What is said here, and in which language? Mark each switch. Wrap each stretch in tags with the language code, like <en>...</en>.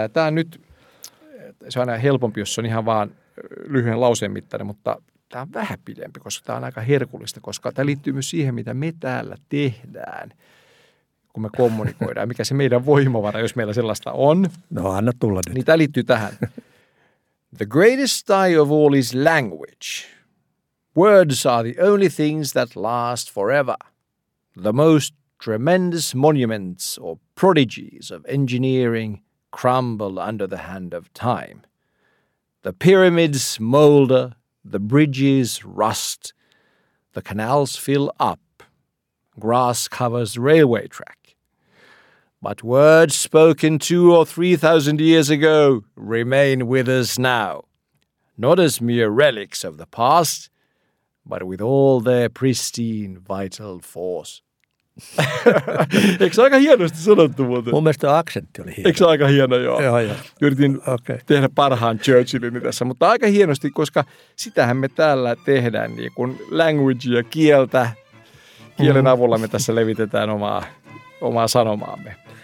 <fi>Ja tämä nyt, se on aina helpompi, jos se on ihan vaan lyhyen lauseen mittainen, mutta tämä on vähän pidempi, koska tämä on aika herkullista, koska tämä liittyy myös siihen, mitä me täällä tehdään, kun me kommunikoidaan. Mikä se meidän voimavara, jos meillä sellaista on? No, anna tulla nyt. Niin tämä liittyy tähän.</fi> <en>The greatest tie of all is language. Words are the only things that last forever. The most tremendous monuments or prodigies of engineering crumble under the hand of time. The pyramids molder, the bridges rust, the canals fill up, grass covers railway track. But words spoken 2,000 or 3,000 years ago remain with us now, not as mere relics of the past, but with all their pristine vital force.</en> <fi>Eikö se aika hienosti sanottu muuten? Mun mielestä aksentti oli hieno. Eikö se aika hieno, joo? Joo, joo. Yritin tehdä parhaan Churchillini tässä, mutta aika hienosti, koska sitähän me täällä tehdään, niin kuin language ja kieltä. Kielen avulla me tässä levitetään omaa sanomaamme.</fi>